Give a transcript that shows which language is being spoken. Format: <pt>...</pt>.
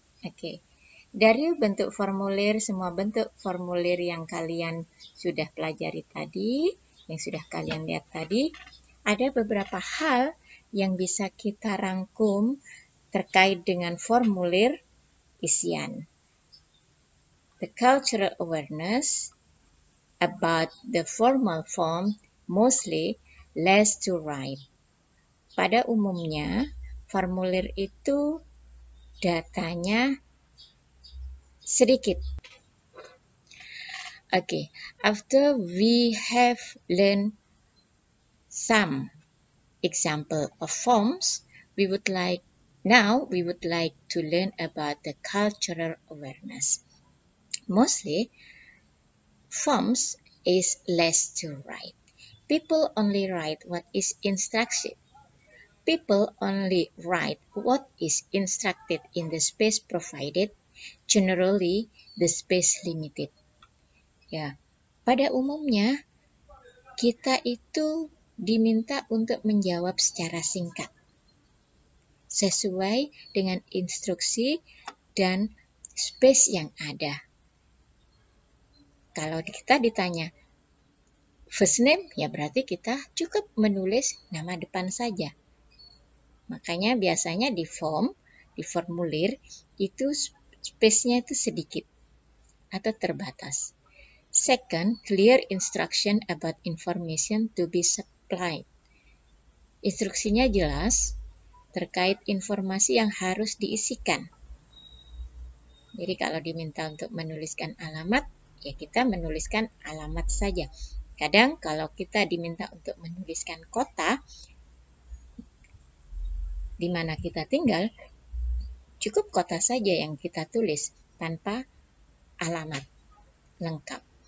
<id>Okay. Dari bentuk formulir, semua bentuk formulir yang kalian sudah pelajari tadi, yang sudah kalian lihat tadi, ada beberapa hal yang bisa kita rangkum terkait dengan formulir isian.</id> <en>The cultural awareness about the formal form mostly less to write.</en> <id>Pada umumnya, formulir itu datanya sedikit.</id> <en>Okay, after we have learned some example of forms, we would like to learn about the cultural awareness. Mostly, forms is less to write. People only write what is instructed. People only write what is instructed in the space provided, generally the space limited.</en> <id>Ya, pada umumnya kita itu diminta untuk menjawab secara singkat sesuai dengan instruksi dan space yang ada. Kalau kita ditanya</id> <en>first name,</en> <id>ya berarti kita cukup menulis nama depan saja. Makanya biasanya di formulir itu space-nya itu sedikit atau terbatas.</id> <en>Second, clear instruction about information to be supplied.</en> <id>Instruksinya jelas terkait informasi yang harus diisikan. Jadi kalau diminta untuk menuliskan alamat, ya kita menuliskan alamat saja. Kadang kalau kita diminta untuk menuliskan kota di mana kita tinggal, cukup kota saja yang kita tulis tanpa alamat lengkap.</id>